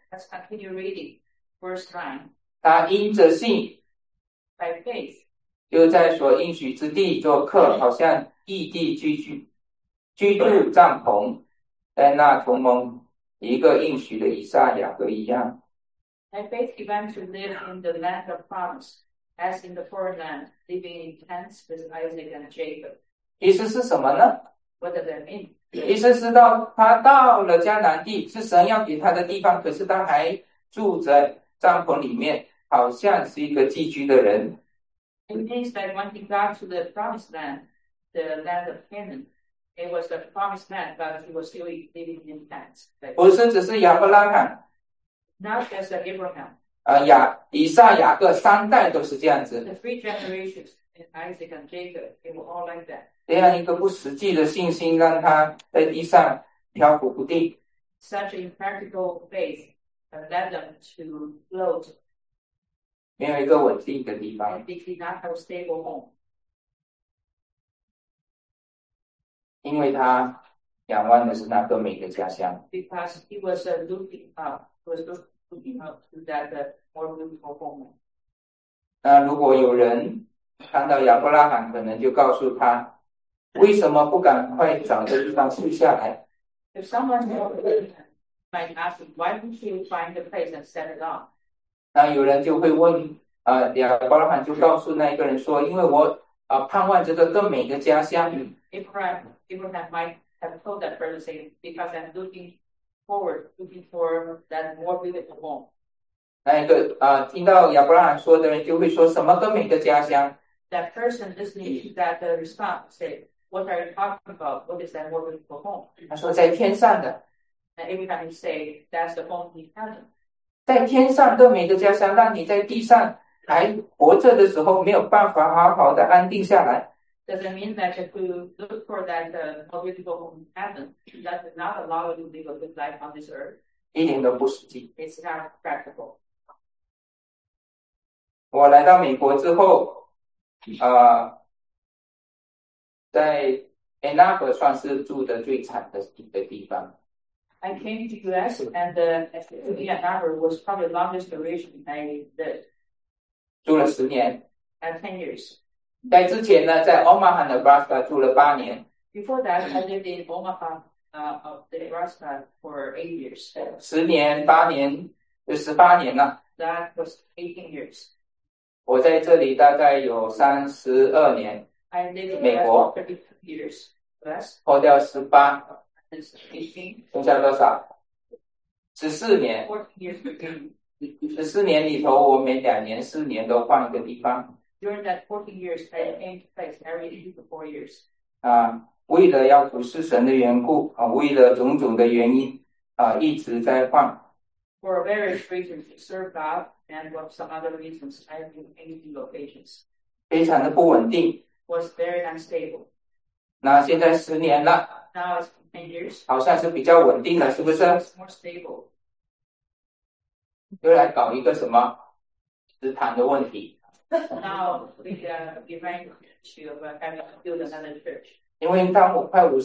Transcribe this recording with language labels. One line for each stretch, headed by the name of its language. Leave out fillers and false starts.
English: Let's continue reading. First line.
Chinese: 他因着信，
English: By faith.
Chinese: 就在所应许之地做客，好像异地居住帐篷，在那同盟。一个应许的以撒、雅各一样，
English: By faith, he went to live in the land of promise, as in the foreign land, living in tents with Isaac and Jacob.
Chinese: 意思是什么呢？
English: What does that mean?
Chinese: 意思是到他到了迦南地，是神要给他的地方，可是他还住在帐篷里面，好像是一个寄居的人。
English: It means that when he got to the promised land, the land of Canaan, it was the promised land, but he was still living in tents.
Chinese: 不是只是亚伯拉罕，
English: Not just Abraham.
Chinese: 以撒、雅各三代都是这样子。
English: The three generations, Isaac and Jacob, they were all like that.
Chinese: 这样一个不实际的信心，让他在地上漂浮不定。
English: Such impractical faith led them to float
Chinese: 没有一个稳定的地方。
English: and they did not have a stable home.
Chinese: 因为他仰望的是那更美的家乡。
English: Because he was looking up to that more beautiful home.
Chinese: 那如果有人看到亚伯拉罕，可能就告诉他，为什么不赶快找个地方住下来？
English: If someone might ask, why don't you find a place and set it up?
Chinese: 那有人就会问，亚伯拉罕就告诉那一个人说，因为我盼望着这更美的家乡。
English: Abraham might have told that person, saying, because I'm looking for that more beautiful home.
Chinese: 那一个听到亚伯拉罕说的人就会说什么更美的家乡？
English: That person listening to that response say, what are you talking about? What is that more beautiful home?
Chinese: 他说在天上的，
English: And every time you say, that's the home in heaven.
Chinese: 在天上更美的家乡，让你在地上还活着的时候没有办法好好的安定下来。
English: Does it mean that if you look for that more beautiful home in heaven, that does not allow you to live a good life on this earth?
Chinese: 一点都不实际。
English: It's not practical.
Chinese: 我来到美国之后，在 Enough 算是住的最惨的一个地方。
English: I came to the U.S. and the Ann Arbor was probably the longest duration I did.
Chinese: 住了10年。
English: At 10 years.
Chinese: 在之前呢，在 Omaha Nebraska 住了8年，
English: Before that, I lived in Omaha, of the Nebraska for 8 years.
Chinese: 10年、8年，就18年了。
English: That was 18 years.
Chinese: 我在这里大概有32年。
English: I lived in the US for 32 years. Less.
Chinese: 扣掉18。
English: That's 18.
Chinese: 剩下多少？14年。 14年里头，我每2年、4年都换一个地方。
English: During that 14 years, I changed place every 3 to 4 years.
Chinese: 为了要服侍神的缘故，为了种种的原因，一直在换。
English: For various reasons to serve God and for some other reasons, I have been changing locations.
Chinese: 非常的不稳定。
English: Was very unstable.
Chinese: 那现在10年了。
English: Now it's 10 years.
Chinese: 好像是比较稳定了，是不是？
English: So it's more stable.
Chinese: 又来搞一个什么，职堂的问题。
English: Now we remind you of having to build another church.